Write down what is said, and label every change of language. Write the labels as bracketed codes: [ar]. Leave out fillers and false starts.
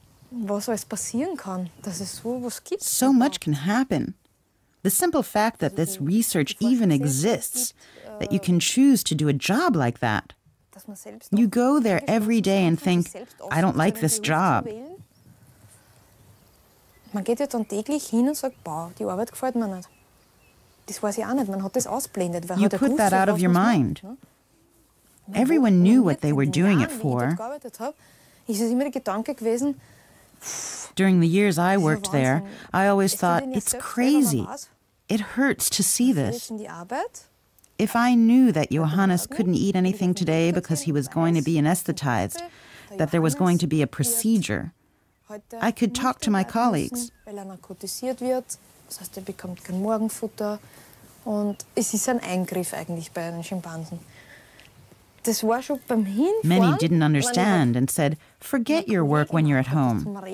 [de] Was alles passieren kann, dass es so was gibt. [en] So much can happen. The simple fact that this research even exists, that you can choose to do a job like that. You go there every day and think, I don't like this job. [de] Man geht ja dann täglich hin und sagt, boah, die Arbeit gefällt mir nicht. Das weiß ich auch nicht, man hat das ausblendet. [en] You put that out of your mind. Everyone knew what they were doing it for. [de] Ist es immer der Gedanke gewesen, [en] during the years I worked there, I always thought, it's crazy. It hurts to see this. If I knew that Johannes couldn't eat anything today because he was going to be anesthetized, that there was going to be a procedure, I could talk to my colleagues. [de] Weil er narkotisiert wird, das heißt, er bekommt kein Morgenfutter. Und es ist ein Eingriff eigentlich bei den Schimpansen. Das war schon beim Hinfahren. [en] Many didn't understand and said, forget your work when you're at home.